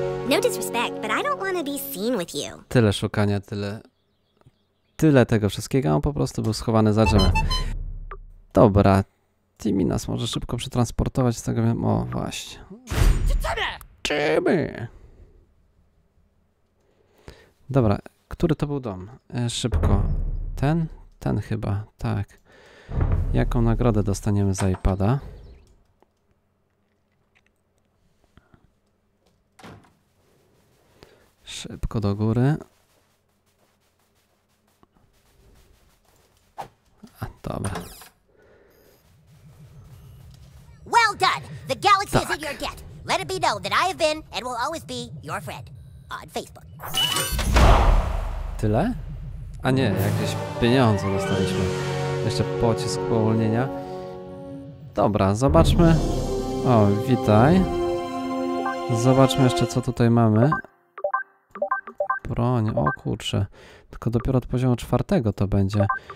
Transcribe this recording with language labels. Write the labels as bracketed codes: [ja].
[en] No disrespect, but I don't want to be seen with you. [pl] Tyle szukania, tyle tego wszystkiego, on po prostu był schowany za drzewem. Dobra, Timmy nas może szybko przetransportować z tego... O, właśnie. Ciebie! Dobra, który to był dom? Szybko. Ten chyba, tak. Jaką nagrodę dostaniemy za iPada? Szybko do góry. A, dobra. [en] Well done! The galaxy is in your debt! Let it be known that I have been and will always be your friend on Facebook. [pl] Tyle? A nie, jakieś pieniądze dostaliśmy. Jeszcze pocisk powolnienia. Dobra, zobaczmy. O, witaj. Zobaczmy jeszcze, co tutaj mamy. Broń, o kurczę. Tylko dopiero od poziomu 4 to będzie.